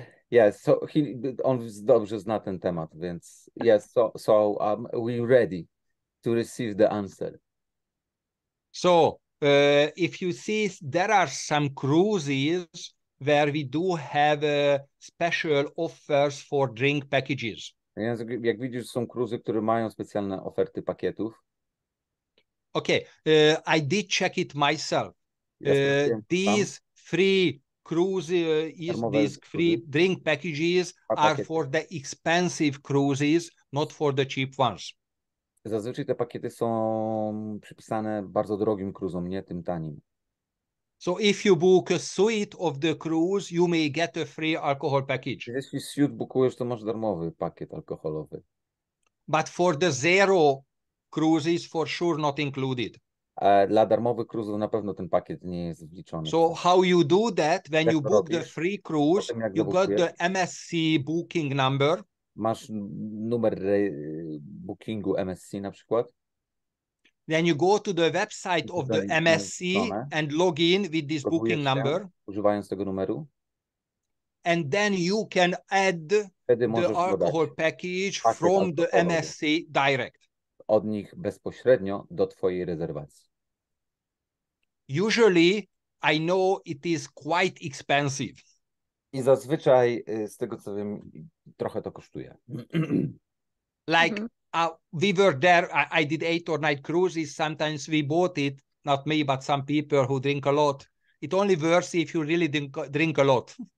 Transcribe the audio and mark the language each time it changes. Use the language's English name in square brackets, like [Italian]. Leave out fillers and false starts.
[English] Yes, so [Polish] on dobrze zna ten temat, więc [English] yes, so we're ready to receive the answer. So, if you see, there are some cruises where we do have special offers for drink packages. [Polish] Jak widzisz, są cruises, które mają specjalne oferty pakietów. [English] Okay, I did check it myself. These free cruises, these free drink packages are for the expensive cruises, not for the cheap ones. [Polish] Zazwyczaj te pakiety są przypisane bardzo drogim cruzom, nie tym tanim. [English] So if you book a suite of the cruise, you may get a free alcohol package. [Polish] Jeśli suite bukujesz, to masz darmowy pakiet alkoholowy. [English] But for the zero cruises, for sure not included. [Polish] Dla darmowych cruise'ów na pewno ten pakiet nie jest wliczony. [English] So how you do that when you book the free cruise, [Polish] tym, jak [English] you got [Polish] zabukujesz? [English] The MSC booking number. [Polish] Masz numer bookingu MSC na przykład? [English] Then you go to the website of the MSC and log in with this booking number. [Polish] Używając tego numeru. [English] And then you can add [Polish] wtedy [English] the alcohol package from the MSC direct. [Polish] Od nich bezpośrednio do twojej rezerwacji. [English] Usually I know it is quite expensive. [Polish] I zazwyczaj z tego co wiem trochę to kosztuje. [English] Like we were there, I did 8 or 9 cruises. Sometimes we bought it, not me, but some people who drink a lot. It only works if you really drink a lot.